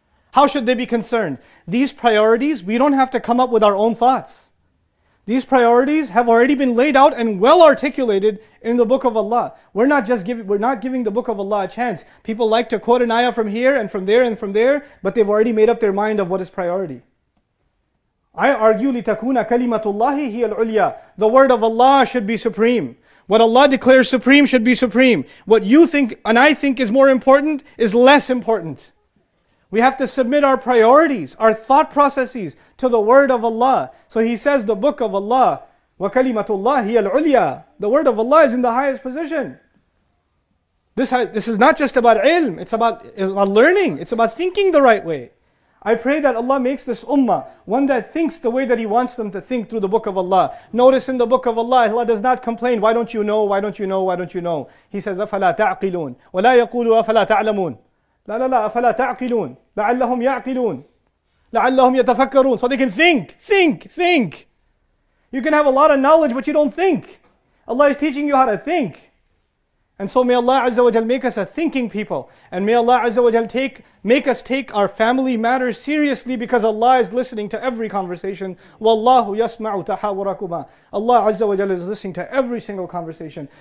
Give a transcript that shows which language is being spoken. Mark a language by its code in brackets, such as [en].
[en] How should they be concerned? These priorities, we don't have to come up with our own thoughts. These priorities have already been laid out and well articulated in the Book of Allah. We're not giving the Book of Allah a chance. People like to quote an ayah from here and from there and from there, but they've already made up their mind of what is priority. I argue [ar] لِتَكُونَ كَلِمَةُ اللَّهِ هِيَ الْعُلْيَا. [en] The word of Allah should be supreme. What Allah declares supreme should be supreme. What you think and I think is more important is less important. We have to submit our priorities, our thought processes to the word of Allah. So he says the book of Allah, [ar] وَكَلِمَةُ اللَّهِ هِيَ الْعُلْيَا. [en] The word of Allah is in the highest position. This is not just about ilm, it's about learning, it's about thinking the right way. I pray that Allah makes this ummah one that thinks the way that he wants them to think through the book of Allah. Notice in the book of Allah, Allah does not complain, why don't you know, why don't you know, why don't you know? He says, [ar] أَفَلَا تَعْقِلُونَ وَلَا يَقُولُوا أَفَلَا تَعْلَمُونَ. لا لا لا أفلا تعقلون لعلهم يعقلون لعلهم يتفكرون. [en] So they can think. You can have a lot of knowledge, but you don't think. Allah is teaching you how to think. And so may Allah Azza wa Jal make us a thinking people, and may Allah Azza wa Jal make us take our family matters seriously, because Allah is listening to every conversation. Wallahu yasma'u tahawurakuma. Allah Azza wa Jal is listening to every single conversation.